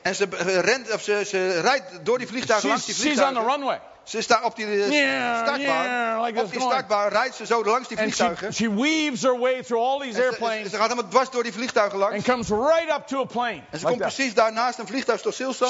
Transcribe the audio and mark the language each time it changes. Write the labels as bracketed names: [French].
[Dutch] En ze rent, of ze rijdt door die vliegtuigen, langs die vliegtuigen. [English] She's on the runway. [Dutch] Ze staat op die startbaan. [English] Yeah, like [Dutch] op die startbaan rijdt ze zo langs die vliegtuigen. [English] And she weaves her way through all these airplanes. [Dutch] Ze gaat helemaal dwars door die vliegtuigen langs. [English] And comes right up to a plane. [Dutch] En ze komt precies daarnaast een vliegtuig tot stilstand.